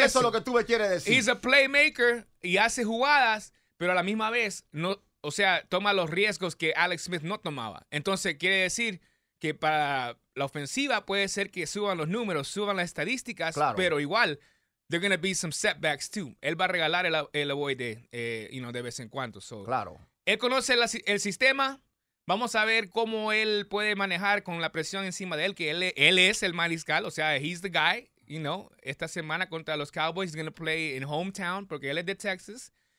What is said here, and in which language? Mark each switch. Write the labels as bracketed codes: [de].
[es] Eso es lo que tú me quieres decir. [en] He's a playmaker [es] y hace jugadas, pero a la misma vez no... O sea, toma los riesgos que Alex Smith no tomaba. Entonces, quiere decir que para la ofensiva puede ser que suban los números, suban las estadísticas, claro. Pero igual, [en] there are going to be some setbacks too. [es] Él va a regalar el avoid de vez en cuando. [en] So, [es] claro. Él conoce el sistema. Vamos a ver cómo él puede manejar con la presión encima de él, que él es el mariscal. O sea, [en] he's the guy, you know. [es] Esta semana contra los Cowboys, [en] he's going to play in hometown [es] porque él es de Texas.